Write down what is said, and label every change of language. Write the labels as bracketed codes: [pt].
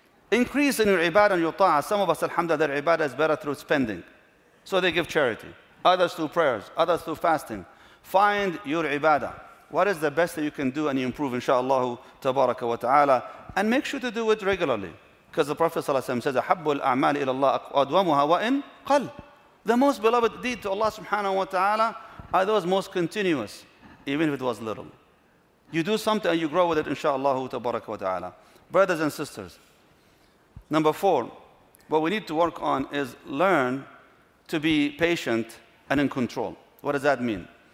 [en] Increase in your ibadah and your ta'ah. Some of us, alhamdulillah, their ibadah is better through spending. So they give charity. Others through prayers. Others through fasting. Find your ibadah. What is the best that you can do and you improve, inshallah, tabaraka wa ta'ala. And make sure to do it regularly. [ar] Because the Prophet ﷺ says, أحب الأعمال إلى الله أدومها وإن قل. [en] The most beloved deed to Allah subhanahu wa ta'ala are those most continuous, even if it was little. You do something and you grow with it, inshallah, tabaraka wa ta'ala. Brothers and sisters, number four, what we need to work on is learn to be patient and in control. What does that mean?